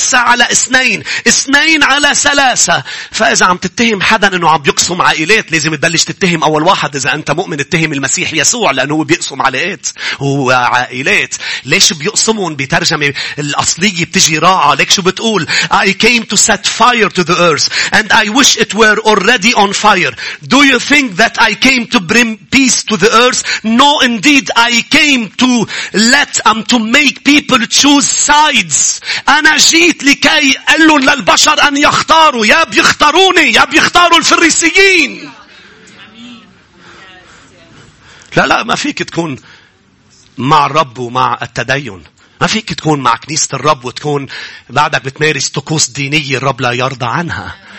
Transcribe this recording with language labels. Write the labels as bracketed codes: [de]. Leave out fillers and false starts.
[ar] 3 على 2 2 على 3. فإذا عم تتهم حدا أنه عم بيقسم عائلات لازم تبلش تتهم أول واحد. إذا أنت مؤمن اتهم المسيح يسوع لأنه بيقسم عائلات وعائلات. ليش بيقسمون؟ بترجمة الأصلية بتجي راعة. ليك شو بتقول؟ [en] I came to set fire to the earth and I wish it were already on fire. Do you think that I came to bring peace to the earth? No, indeed, I came to let to make people choose sides. [ar] أنا جيت لكي أقول للبشر أن يختاروا. يا بيختاروني يا بيختاروا الفريسيين. لا لا ما فيك تكون مع الرب ومع التدين. ما فيك تكون مع كنيسة الرب وتكون بعدك بتمارس طقوس دينية الرب لا يرضى عنها.